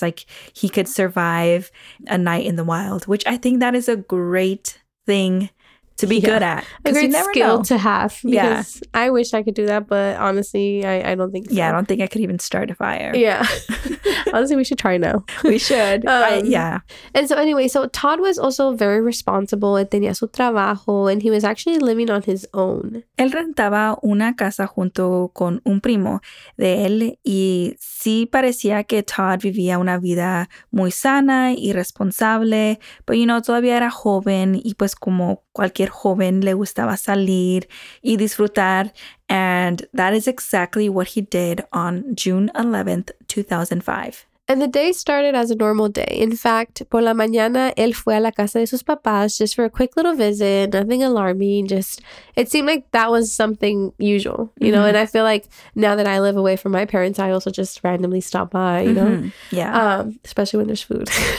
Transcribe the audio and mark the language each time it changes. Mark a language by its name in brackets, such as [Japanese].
[English] Like he could survive a night in the wild, which I think that is a great thing to be good at. A great skill to have. Yes. Yeah. I wish I could do that, but honestly, I don't think so. Yeah, I don't think I could even start a fire. Yeah. Honestly, we should try now. We should. And so anyway, so Todd was also very responsible. [Spanish] Él tenía su trabajo [English] and he was actually living on his own. [Spanish] Él rentaba una casa junto con un primo de él y sí parecía que Todd vivía una vida muy sana y responsable, pero, [English] you know, [Spanish] todavía era joven y pues como cualquier joven le gustaba salir y disfrutar. [English] And that is exactly what he did on June 11th, 2005. And the day started as a normal day. In fact, [Spanish] por la mañana, él fue a la casa de sus papás [English] just for a quick little visit, nothing alarming. Just, it seemed like that was something usual, you mm-hmm. know? And I feel like now that I live away from my parents, I also just randomly stop by, you mm-hmm. know? Yeah. Especially when there's food.